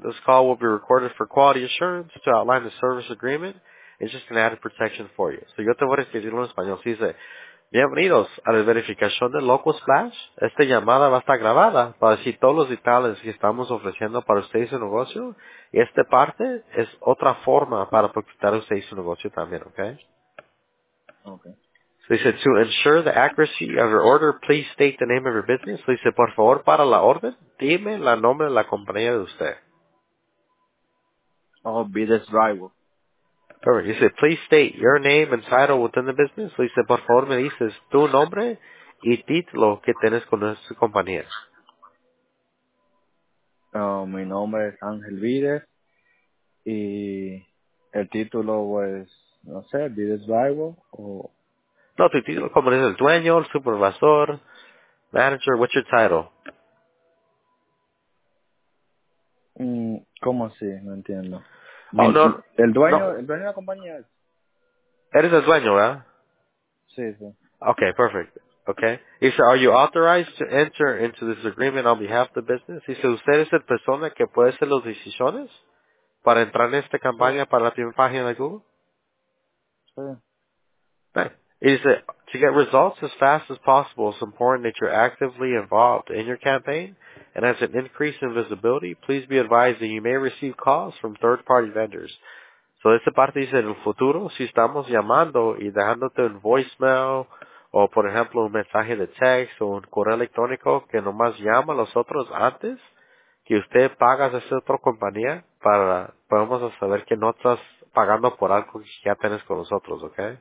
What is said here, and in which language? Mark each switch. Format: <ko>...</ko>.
<en>This call will be recorded for quality assurance to outline the service agreement. It's just an added protection for you.</en> <es>So yo te voy a escribirlo en español. Sí, dice, bienvenidos a la verificación de Local Splash. Esta llamada va a estar grabada para decir todos los detalles que estamos ofreciendo para usted y su negocio. Y esta parte es otra forma para protegerte a usted y su negocio también, ¿okay?</es> <en>Okay. They said, to ensure the accuracy of your order, please state the name of your business. They said,</en> <es>por favor, para la orden, dime la nombre de la compañía de usted.</es> <en>Oh, business rival. Perfect. They said, please state your name and title within the business. They said,</en> <es>por favor, me dices tu nombre y título que tienes con nuestra compañía. Mi nombre es Ángel Vides y el título es, no sé,</es> <en>business rival</en> <es>o... No, tu título, como dice el dueño, el supervisor, manager,</es> <en>what's your title?</en> <es>¿Cómo así? No entiendo. El dueño de la compañía es... Eres el dueño, ¿verdad? Sí, sí.</es> <en>Okay, perfect. Okay. He said, are you authorized to enter into this agreement on behalf of the business? He said,</en> <es>¿usted es la persona que puede hacer las decisiones para entrar en esta campaña para la primera página de Google? Sí.</es> <en>He said, to get results as fast as possible, it's important that you're actively involved in your campaign, and as an increase in visibility, please be advised that you may receive calls from third-party vendors.</en> <es>So, esta parte dice, en el futuro, si estamos llamando y dejándote un voicemail, o por ejemplo, un mensaje de texto, un correo electrónico, que nomás llama a los otros antes, que usted paga a esa otra compañía, para podemos saber que no estás pagando por algo que ya tienes con nosotros, ¿ok?</es>